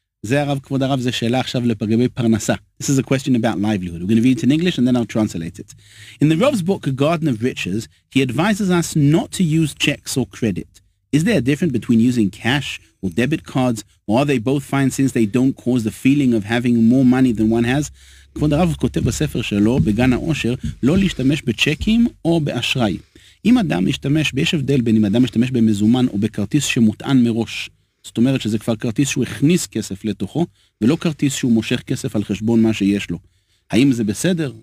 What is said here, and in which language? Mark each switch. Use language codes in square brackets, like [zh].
[he] זה הרב, כבוד הרב, זה שאלה עכשיו לגבי פרנסה. [en] This is a question about livelihood. We're going to read it in English and then I'll translate it. In the Rav's book, Garden of Riches, he advises us not to use checks or credit. Is there a difference between using cash or debit cards, or are they both fine since they don't cause the feeling of having more money than one has? [he] כבוד הרב כותב בספר שלו, בגן העושר, לא להשתמש בצ'קים או באשראי. אם אדם משתמש, יש הבדל בין אם אדם משתמש במזומן או בכרטיס שמוטען מראש. זאת אומרת שזה כבר כרטיס שהוא הכניס כסף לתוכו, ולא כרטיס שהוא מושך כסף על חשבון מה שיש לו. האם זה בסדר?